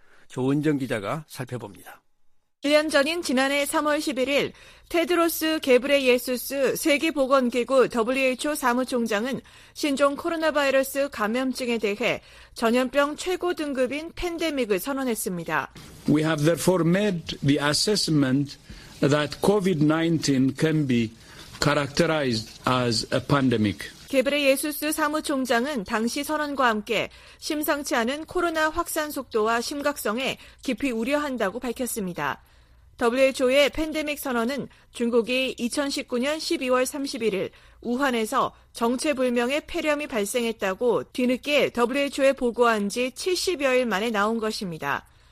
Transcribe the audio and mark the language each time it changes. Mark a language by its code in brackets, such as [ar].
[ko] 조은정 기자가 살펴봅니다. 1년 전인 지난해 3월 11일 테드로스 게브레예수스 세계보건기구 WHO 사무총장은 신종 코로나 바이러스 감염증에 대해 전염병 최고 등급인 팬데믹을 선언했습니다. [en] We have therefore made the assessment that COVID-19 can be characterized as a pandemic. [ko] 게브레예수스 사무총장은 당시 선언과 함께 심상치 않은 코로나 확산 속도와 심각성에 깊이 우려한다고 밝혔습니다. WHO의 팬데믹 선언은 중국이 2019년 12월 31일 우한에서 정체불명의 폐렴이 발생했다고 뒤늦게 WHO에 보고한 지 70여일 만에 나온 것입니다.